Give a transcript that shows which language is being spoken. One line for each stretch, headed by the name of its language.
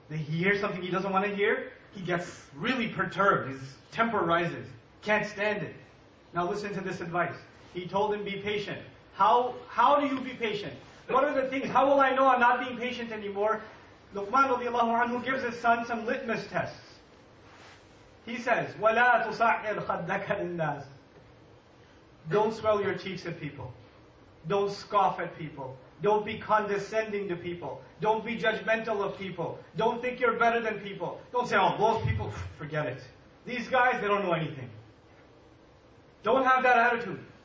English: He hears something he doesn't want to hear, he gets really perturbed. His temper rises. Can't stand it. Now listen to this advice. He told him, be patient. How do you be patient? What are the things? How will I know I'm not being patient anymore? Luqman radiallahu anhu gives his son some litmus tests. He says,
Arabic: وَلَا تُصَعِرْ خَدَّكَ لِلنَّاسِ.
English: Don't swell your cheeks at people. Don't scoff at people. Don't be condescending to people. Don't be judgmental of people. Don't think you're better than people. Don't say, oh, those people, forget it. These guys, they don't know anything. Don't have that attitude.